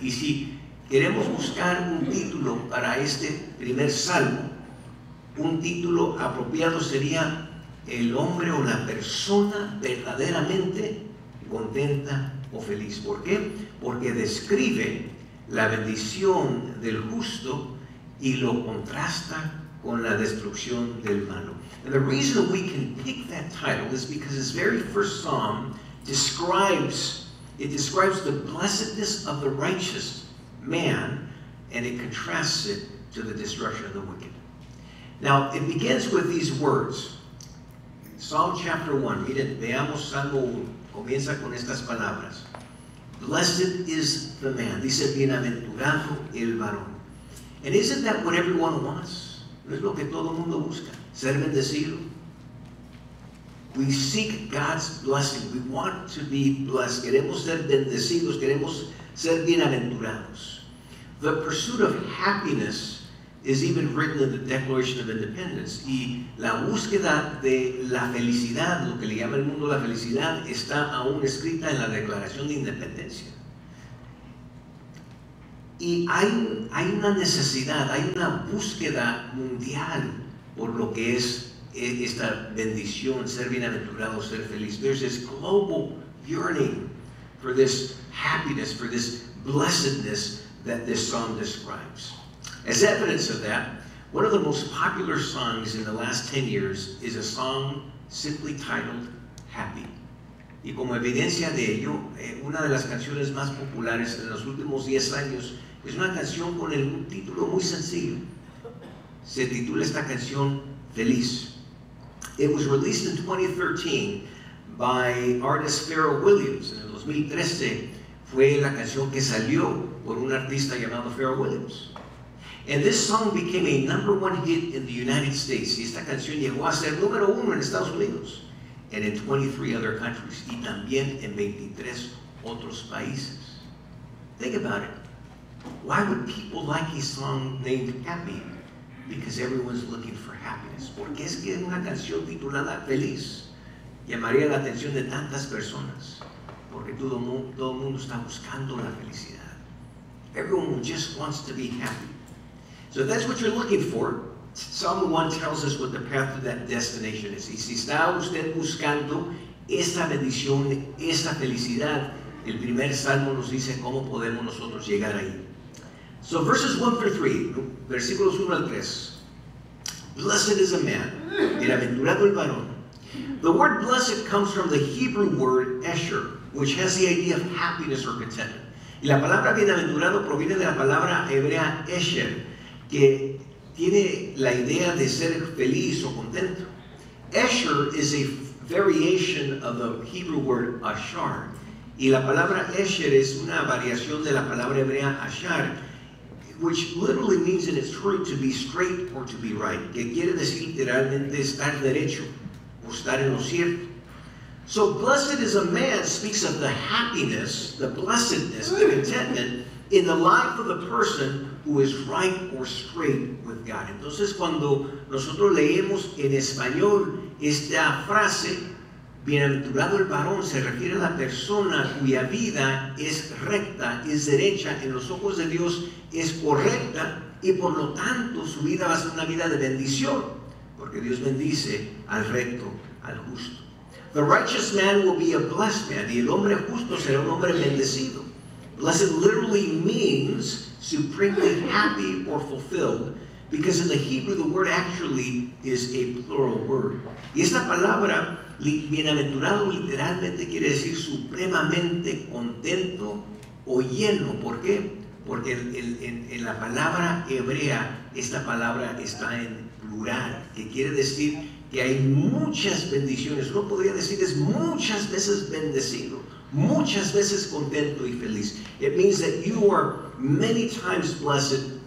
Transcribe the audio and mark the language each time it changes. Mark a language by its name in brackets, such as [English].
[Spanish] Y si queremos buscar un título para este primer salmo, un título apropiado sería el hombre o la persona verdaderamente contenta o feliz. ¿Por qué? Porque describe la bendición del justo y lo contrasta con la destrucción del malo. [English] And the reason we can pick that title is because its very first psalm describes the blessedness of the righteous man, and it contrasts it to the destruction of the wicked. Now, it begins with these words. Psalm chapter 1, [Spanish] miren, veamos Salmo 1, comienza con estas palabras. [English] Blessed is the man, [Spanish] dice bienaventurado el varón. [English] And isn't that what everyone wants? [Spanish] ¿No es lo que todo mundo busca? Ser bendecido. [English] We seek God's blessing. We want to be blessed. [Spanish] Queremos ser bendecidos, queremos ser bienaventurados. [English] The pursuit of happiness is even written in the Declaration of Independence. [Spanish] Y la búsqueda de la felicidad, lo que le llama el mundo la felicidad, está aún escrita en la Declaración de Independencia. Y hay una necesidad, hay una búsqueda mundial por lo que es esta bendición, ser bienaventurado, ser feliz. [English] There's this global yearning for this happiness, for this blessedness that this psalm describes. As evidence of that, one of the most popular songs in the last 10 years is a song simply titled Happy. [Spanish] Y como evidencia de ello, una de las canciones más populares en los últimos 10 años es una canción con el título muy sencillo. Se titula esta canción Feliz. [English] It was released in 2013 by artist Pharrell Williams. [Spanish] En el 2013 fue la canción que salió por un artista llamado Pharrell Williams. [English] And this song became a number one hit in the United States. [Spanish] Y esta canción llegó a ser número uno en Estados Unidos. [English] And in 23 other countries. [Spanish] Y también en 23 otros países. [English] Think about it. Why would people like a song named Happy? Because everyone's looking for happiness. [Spanish] ¿Por qué es que una canción titulada Feliz llamaría la atención de tantas personas? Porque todo el mundo está buscando la felicidad. [English] Everyone just wants to be happy. So that's what you're looking for. Psalm 1 tells us what the path to that destination is. [Spanish] Y si está usted buscando esa bendición, esa felicidad, el primer salmo nos dice cómo podemos nosotros llegar ahí. [English] So verses 1 through 3, [Spanish] versículos 1 al 3. [English] Blessed is a man, [Spanish] bienaventurado el varón. [English] The word blessed comes from the Hebrew word esher, which has the idea of happiness or contentment. [Spanish] Y la palabra bienaventurado proviene de la palabra hebrea esher, que tiene la idea de ser feliz o contento. [English] Esher is a variation of the Hebrew word ashar. [Spanish] Y la palabra esher es una variación de la palabra hebrea ashar, [English] which literally means in its root to be straight or to be right, [Spanish] que quiere decir literalmente estar derecho o estar en lo cierto. [English] So blessed is a man speaks of the happiness, the blessedness, the contentment in the life of the person who is right or straight with God. [Spanish] Entonces cuando nosotros leemos en español esta frase, bienaventurado el varón, se refiere a la persona cuya vida es recta, es derecha, en los ojos de Dios es correcta, y por lo tanto su vida va a ser una vida de bendición, porque Dios bendice al recto, al justo. [English] The righteous man will be a blessed man, [Spanish] y el hombre justo será un hombre bendecido. [English] Blessed literally means supremely happy or fulfilled, because in the Hebrew the word actually is a plural word. [Spanish] Y esta palabra, bienaventurado, literalmente quiere decir supremamente contento o lleno. ¿Por qué? Porque en la palabra hebrea, esta palabra está en plural, que quiere decir que hay muchas bendiciones. Uno podría decir es muchas veces bendecido, muchas veces contento y feliz. [English] It means that you are many times blessed.